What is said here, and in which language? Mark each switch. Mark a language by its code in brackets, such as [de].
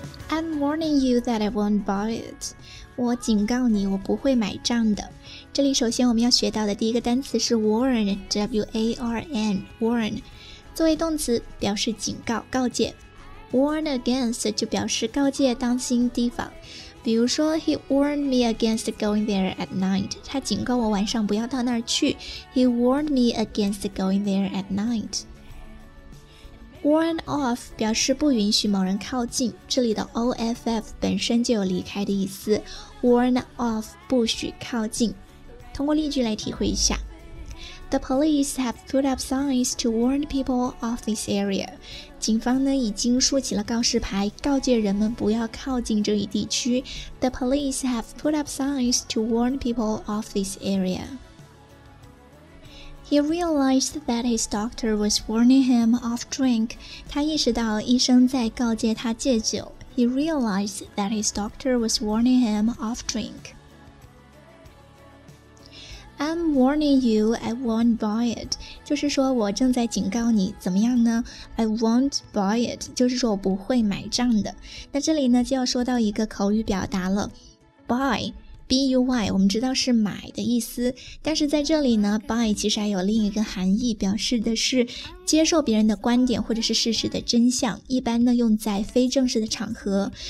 [en] I'm warning you that I won't buy it. [zh] 我警告你，我不会买账的。这里首先我们要学到的第一个单词是 warn, W-A-R-N, warn. 作为动词表示警告，告诫。 Warn against 就表示告诫，当心提防。比如说 [en] He warned me against going there at night. [zh] 他警告我晚上不要到那儿去。 [en] He warned me against going there at night. [zh] Warn off 表示不允许某人靠近，这里的 off 本身就有离开的意思， warn off 不许靠近。通过例句来体会一下。 [en] The police have put up signs to warn people of this area. [zh] 警方呢已经竖起了告示牌，告诫人们不要靠近这一地区。 [en] The police have put up signs to warn people of this area. He realized that his doctor was warning him off drink. [zh] 他意识到医生在告诫他戒酒。 [en] He realized that his doctor was warning him off drink. I'm warning you, I won't buy it. [zh] 就是说我正在警告你，怎么样呢？ [en] I won't buy it. [zh] 就是说我不会买账的。那这里呢，就要说到一个口语表达了。 [en] Buy. [zh] B-U-Y 我们知道是买的意思，但是在这里呢 buy 其实还有另一个含义，表示的是接受别人的观点或者是事实的真相，一般呢用在非正式的场合。